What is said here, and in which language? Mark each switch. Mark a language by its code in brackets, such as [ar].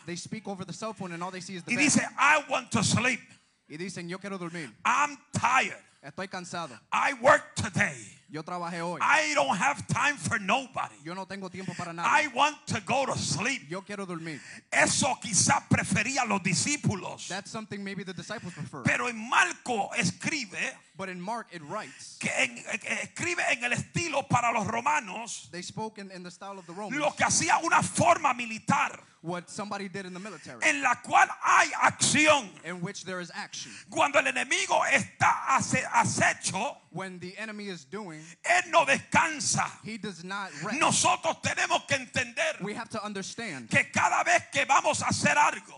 [en] They speak over the cell phone and all they see is the bed. [es] Y dice, [en] I want to sleep. [es] Y dicen, yo quiero dormir. [en] I'm tired. [es] Estoy cansado. [en] I work today. [es] Yo trabajé hoy. [en] I don't have time for nobody. [es] Yo no tengo tiempo para nada. [en] I want to go to sleep. [es] Yo quiero dormir. Eso quizá prefería los discípulos. [en] That's something maybe the disciples prefer. [es] Pero en Marco escribe, [en] but in Mark it writes, [es] que escribe en el estilo para los romanos, [en] they spoke in the style of the Romans, [es] lo que hacía una forma militar, [en] what somebody did in the military, [es] en la cual hay acción, [en] in which there is action. [es] Cuando el enemigo está acecho, [en] when the enemy is doing, [es] él no descansa, [en] he does not rest. [es] Nosotros tenemos que entender, [en] we have to understand, [es] que cada vez que vamos a hacer algo,